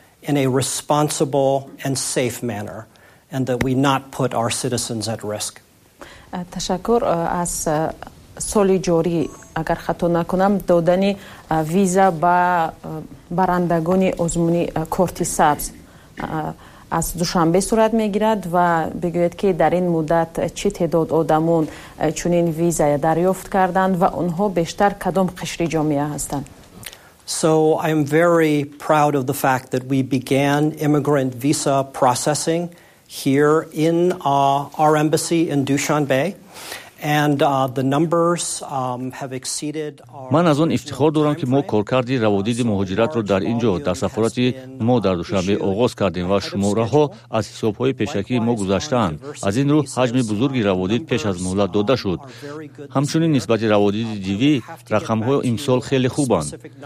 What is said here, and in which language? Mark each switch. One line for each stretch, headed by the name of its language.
English: In a responsible and safe manner, and that we not put our citizens at risk.
Persian: تشکر از سال جاری اگر خطا نکنم دادن ویزا با برندگان آزمونی کارت سبز از دوشنبه صورت میگیرد و بگوید که در این مدت چه تعداد آدمون چنین ویزا دریافت کردند و اونها بیشتر کدام قشر جامعه هستند.
English: So I am very proud of the fact that we began immigrant visa processing here in our embassy in Dushanbe. And the numbers have exceeded our...
Persian: من از اون افتخار دارم که ما کارکردی روادید مهاجرت رو در اینجا در سفارت ما در دوشنبه آغاز کردیم و شماره ها از حساب های پیشکی ما گذشتن. از این رو حجم بزرگی روادید پیش از مهلت داده شد. همچنین نسبت روادید دیوی رقم های امسال خیلی خوبند.